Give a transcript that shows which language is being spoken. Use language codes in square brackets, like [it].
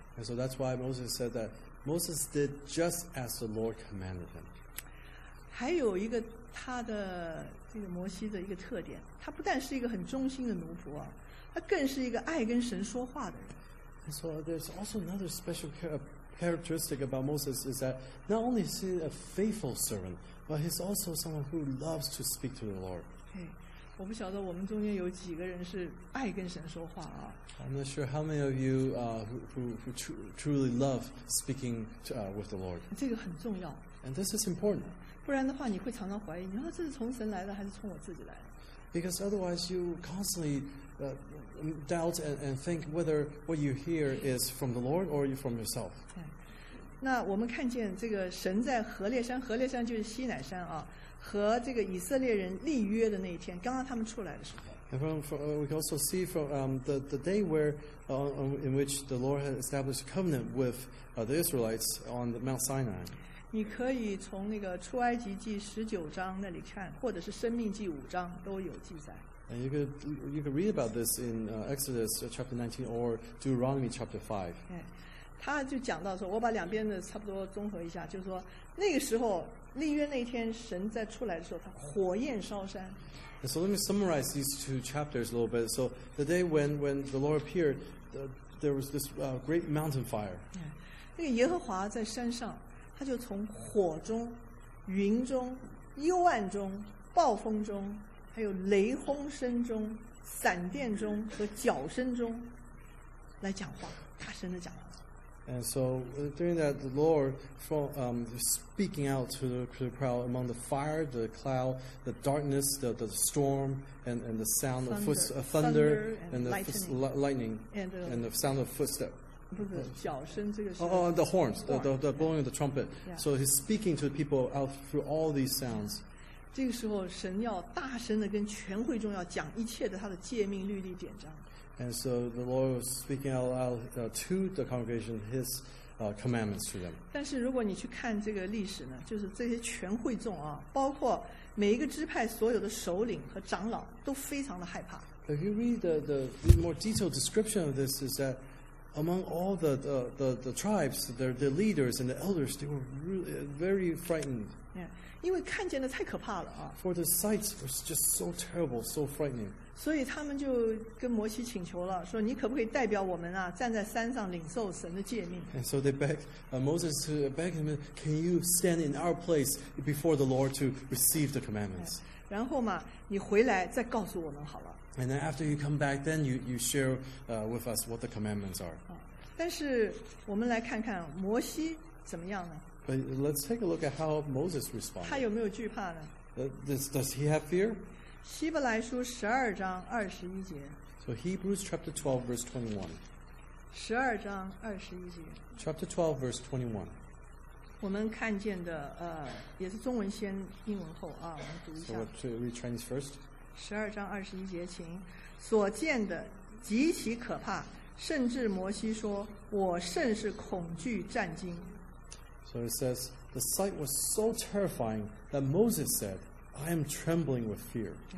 [en] And so that's why Moses said that Moses did just as the Lord commanded him. [zh] 还有一个他的这个摩西的一个特点，他不但是一个很忠心的奴仆啊，他更是一个爱跟神说话的人。 [en] So there's also another special characteristic about Moses is that not only is he a faithful servant, but he's also someone who loves to speak to the Lord. [zh] Hey, 我不晓得我们中间有几个人是爱跟神说话啊。 [en] I'm not sure how many of you who truly love speaking to, with the Lord. [zh] 这个很重要。 [en] And this is important. [zh] 不然的话，你会常常怀疑，你说这是从神来的还是从我自己来的？ [en] Because otherwise you constantly doubt and think whether what you hear is from the Lord or from yourself. [zh] 那我们看见这个神在何烈山，何烈山就是西乃山啊，和这个以色列人立约的那一天，刚刚他们出来的时候。 [en] And we can also see from the day where in which the Lord had established covenant with the Israelites on the Mount Sinai. [zh] 你可以从那个出埃及记十九章那里看，或者是生命记五章都有记载。 [en] And you could read about this in Exodus chapter 19 or Deuteronomy chapter 5. [zh] 他就讲到说，我把两边的差不多综合一下，就是说那个时候立约那天，神在出来的时候，他火焰烧山。 [en] And so let me summarize these two chapters a little bit. So the day when the Lord appeared, there was this great mountain fire. [zh] 那个耶和华在山上，他就从火中、云中、幽暗中、暴风中。还有雷轰声中、闪电中和脚声中来讲话，大声的讲话。 [en] And so during that, the Lord from speaking out to the crowd among the fire, the cloud, the darkness, the storm, and the sound of thunder and the lightning, and the sound of footstep. [zh] 不是脚声，这个是。 [en] Oh, the horns, the blowing of the trumpet. Yeah. So he's speaking to the people out through all these sounds. Yeah. [zh] 这个时候神要大声的跟全会众要讲一切的他的诫命律例典章。 [en] And so the Lord was speaking out loud to the congregation his commandments to them. [zh] 但是如果你去看这个历史呢，就是这些全会众啊，包括每一个支派所有的首领和长老都非常的害怕。 [en] If you read the more detailed description of this is that among all the tribes, the leaders and the elders, they were really very frightened. Yeah. [zh] 因为看见的太可怕了啊 [en] ！For the sights was just so terrible, so frightening. [zh] 所以他们就跟摩西请求了，说你可不可以代表我们啊，站在山上领受神的诫命 [en] ？And so they beg Moses to beg him, "Can you stand in our place before the Lord to receive the commandments?" [zh] 然后嘛，你回来再告诉我们好了。 [en] And then after you come back, then you share with us what the commandments are. [zh] 但是我们来看看摩西怎么样呢？ [en] But let's take a look at how Moses responded. [zh] 他有没有惧怕呢？ [en] Does he have fear? [zh] 希伯来书十二章二十一节。 [en] So Hebrews chapter 12 verse 21. [zh] 十二章二十一节。 [en] Chapter 12 verse 21. [zh] 我们看见的也是中文先英文后啊，我们读一下。 [en] So what to read Chinese first? [zh] 十二章二十一节，请。所见的极其可怕，甚至摩西说：“我甚是恐惧战惊。” [en] So it says, the sight was so terrifying that Moses said, I am trembling with fear.